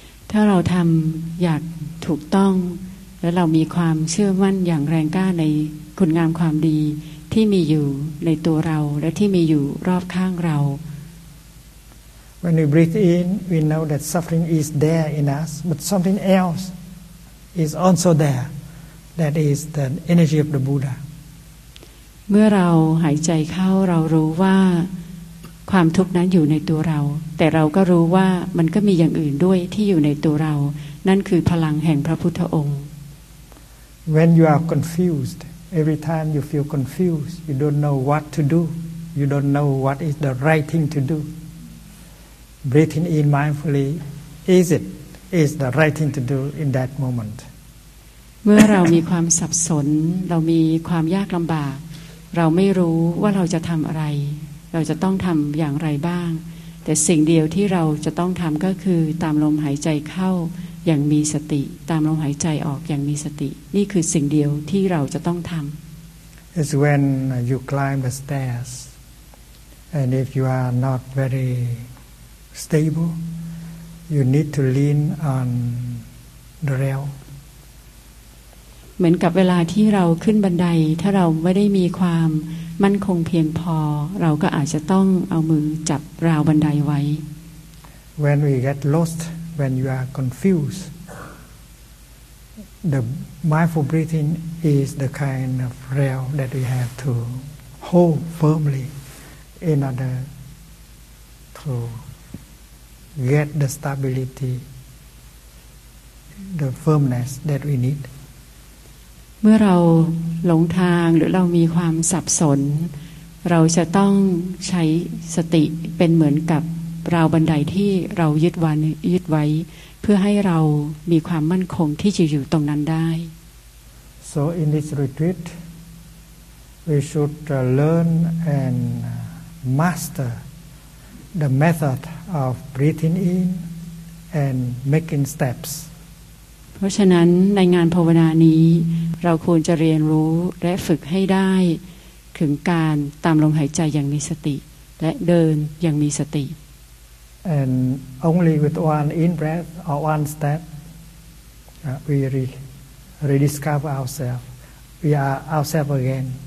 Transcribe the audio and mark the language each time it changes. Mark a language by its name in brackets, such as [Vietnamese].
[Thai] ถ้าเราทำอย่างถูกต้องและเรามีความเชื่อมั่นอย่างแรงกล้าในคุณงามความดีที่มีอยู่ในตัวเราและที่มีอยู่รอบข้างเรา [English] When we breathe in we know that suffering is there in us but something else is also there that is the energy of the Buddha [Thai] เมื่อเราหายใจเข้าเรารู้ว่าความทุกข์นั้นอยู่ในตัวเราแต่เราก็รู้ว่ามันก็มีอย่างอื่นด้วยที่อยู่ในตัวเรานั่นคือพลังแห่งพระพุทธองค์ [English] When you are confused, every time you feel confused, you don't know what to do. You don't know what is the right thing to do. Breathing in mindfully, is the right thing to do in that moment? [Thai] เมื่อเรามีความสับสนเรามีความยากลำบากเราไม่รู้ว่าเราจะทำอะไรเราจะต้องทำอย่างไรบ้างแต่สิ่งเดียวที่เราจะต้องทำก็คือตามลมหายใจเข้าอย่างมีสติตามลมหายใจออกอย่างมีสตินี่คือสิ่งเดียวที่เราจะต้องทำ [English] It's when you climb the stairs and if you are not very stable you need to lean on the rail [Thai] เหมือนกับเวลาที่เราขึ้นบันไดถ้าเราไม่ได้มีความมั่นคงเพียงพอเราก็อาจจะต้องเอามือจับราวบันไดไว้ [English] When we get lostWhen you are confused, the mindful breathing is the kind of rail that we have to hold firmly in order to get the stability, the firmness that we need. [Thai] เมื่อเราหลงทางหรือเรามีความสับสนเราจะต้องใช้สติเป็นเหมือนกับราวบันไดที่เรายึดวันยึดไว้เพื่อให้เรามีความมั่นคงที่จะอยู่ตรงนั้นได้ [English] So in this retreat we should learn and master the method of breathing in and making steps [Thai] เพราะฉะนั้นในงานภาวนานี้เราควรจะเรียนรู้และฝึกให้ได้ถึงการตามลมหายใจอย่างมีสติและเดินอย่างมีสติ [English] And only with one in-breath or one step, we rediscover ourselves. We are ourselves again.